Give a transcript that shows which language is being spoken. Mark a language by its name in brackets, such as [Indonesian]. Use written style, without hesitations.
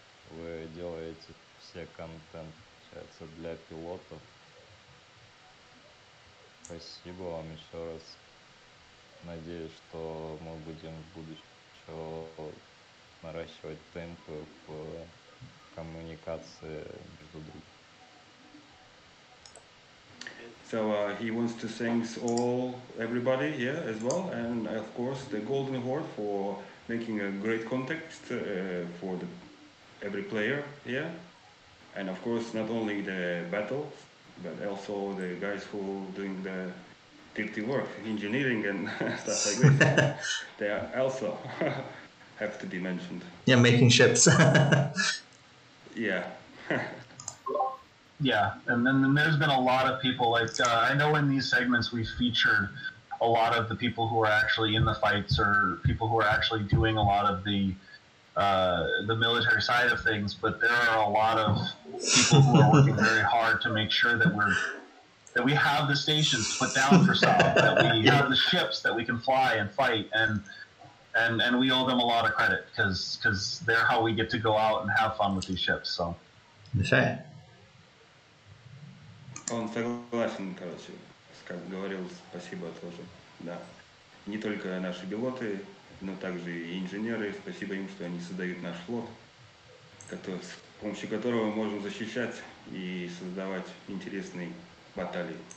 [Russian] Вы делаете все контент, получается, для пилотов. Спасибо вам еще раз. Надеюсь, что мы будем в будущем наращивать темпы в коммуникации между друг. [English] So he wants to thank all everybody here as well, and of course the Golden Horde for making a great context for the every player here, and of course not only the battle, but also the guys who are doing the dirty work, engineering and stuff like this. They are also have to be mentioned. Yeah, making ships. Yeah. Yeah, and then there's been a lot of people, like, I know in these segments we featured a lot of the people who are actually in the fights or people who are actually doing a lot of the military side of things, but there are a lot of people who are working very hard to make sure that we have the stations to put down for some, that we have the ships that we can fly and fight, and we owe them a lot of credit because they're how we get to go out and have fun with these ships. So, okay. [Russian] Он согласен, короче, как говорил, спасибо тоже, да. не только наши пилоты, но также и инженеры. Спасибо им, что они создают наш флот, с помощью которого мы можем защищать и создавать интересные баталии.